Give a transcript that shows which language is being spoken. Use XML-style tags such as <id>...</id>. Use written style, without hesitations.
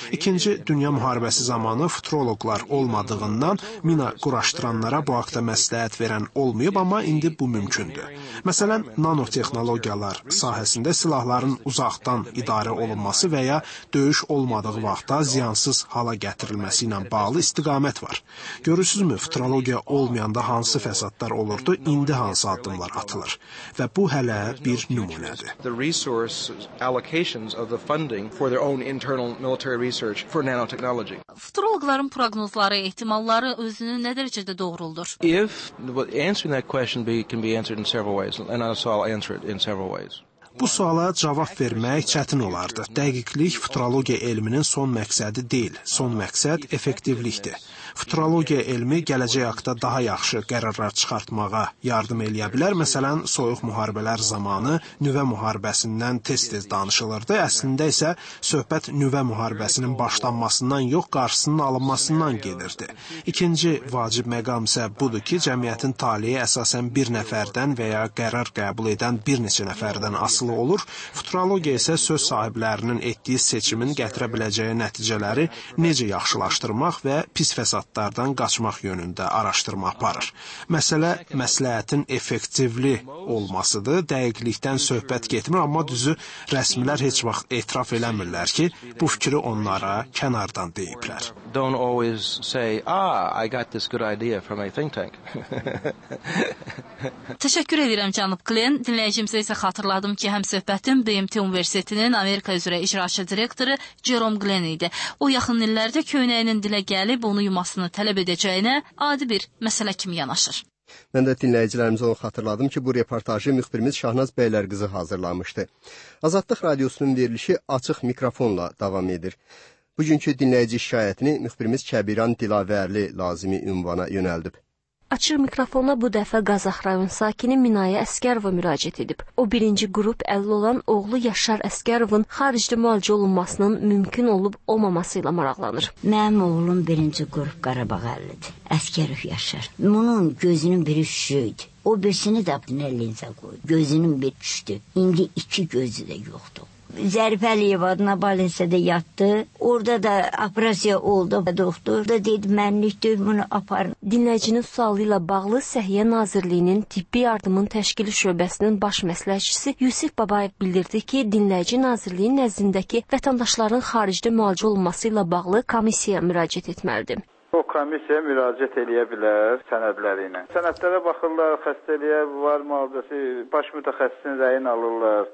<az>İkinci Dünya Müharibəsi zamanı futuroloqlar olmadığından mina quraşdıranlara bu haqda məsləhət verən olmayıb, amma indi bu mümkündür. Məsələn, nanotexnologiyalar sahəsində silahların uzaqdan idarə olunması və ya döyüş olmadığı vaxtda ziyansız hala gətirilməsi ilə bağlı istiqamət var. Görürsünüzmü, futurologiya olmayanda hansı fəsadlar olurdu, indi hansı addımlar atılır? Və bu hələ bir nümunədir. Futurologların proqnozları, ehtimalları özünü nə dərəcədə doğruldur?</az> <en>Answering that question can be answered in several ways, and also I'll answer it in several ways.</en> <az>Bu suala cavab vermək çətin olardı. Dəqiqlik futurologiya elminin son məqsədi deyil. Son məqsəd effektivlikdir. Futurologiya elmi gələcək haqda daha yaxşı qərarlar çıxartmağa yardım edə bilər. Məsələn, soyuq müharibələr zamanı nüvə müharibəsindən tez-tez danışılırdı. Əslində isə söhbət nüvə müharibəsinin başlanmasından yox, qarşısının alınmasından gedirdi. İkinci vacib məqam isə budur ki, cəmiyyətin taleyi əsasən bir nəfərdən və ya qərar qəbul edən bir neçə nəfərdən asılı olur. Futurologiya isə söz sahiblərinin etdiyi seçimin gətirə biləcəyi nəticələri necə yaxşılaşdırmaq və pis fəsadlardan qaçmaq yönündə araşdırma aparır. Məsələ məsləhətin effektivli olmasıdır. Dəqiqlikdən söhbət getmir, amma düzü rəsmilər heç vaxt etiraf eləmirlər ki, bu fikri onlara kənardan deyiblər.</az> <en>Don't always say, I got this good idea from a think tank.</en> <az>Təşəkkür edirəm, cənab Klein. Dinləyicimizə isə xatırladım ki, həm söhbətin BMT Universitetinin Amerika üzrə icraçı direktoru Jerome Glenn idi. O, yaxın illərdə köynəyinin dilə gəlib, onu yumasını tələb edəcəyinə adi bir məsələ kimi yanaşır. Mən də dinləyicilərimizə onu xatırladım ki, bu reportajı müxbirimiz Şahnaz Bəylərqızı hazırlamışdı. Azadlıq Radiosunun verilişi açıq mikrofonla davam edir. Bugünkü dinləyici şikayətini müxbirimiz Kəbiran Dilavərli lazımi ünvana yönəldib. Açır mikrofona bu dəfə Qazax rayon sakini Minaya Əskərova müraciət edib. O, birinci qrup 50 olan oğlu Yaşar Əskərovun xaricdə müalicə olunmasının mümkün olub-olmaması ilə maraqlanır. Mənim oğlum birinci qrup Qarabağ 50-dir. Əskərov Yaşar. Bunun gözünün biri şüydü. O, besini də nəlinizə qoydu. Gözünün biri düşdü. İndi iki gözü də yoxdur. Zərbəliyev adına balinsədə yatdı. Orada da operasiya oldu. Doktor da dedi, mənlikdir, bunu aparın. Dinləyicinin sualı ilə bağlı Səhiyyə Nazirliyinin Tibbi Yardımın Təşkili Şöbəsinin baş məsləhçisi Yusif Babayev bildirdi ki, Dinləyici Nazirliyin nəzdindəki vətəndaşların xaricdə müalicə olunması ilə bağlı komissiyaya müraciət etməlidir. O komissiya müraciət eləyə bilər sənədləri ilə. Sənədlərə baxırlar, xəstəliyə var müalicəsi, baş mütəxəssisin rəyini alırlar.</az>